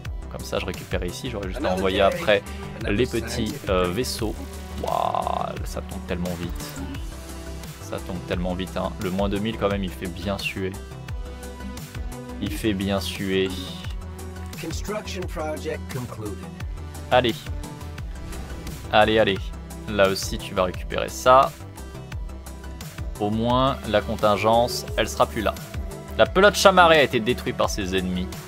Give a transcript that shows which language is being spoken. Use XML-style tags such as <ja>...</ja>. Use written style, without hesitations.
<fr>Comme ça, je récupère ici. J'aurai juste à envoyer après les petits vaisseaux. Waouh, ça tombe tellement vite. Ça tombe tellement vite, hein. Le moins 2000 quand même, il fait bien suer. Il fait bien suer.</fr> <en>Construction project concluded.</en> <fr>Allez. Allez, allez. Là aussi, tu vas récupérer ça. Au moins, la contingence, elle sera plus là. La pelote chamarrée a été détruite par ses ennemis.</fr>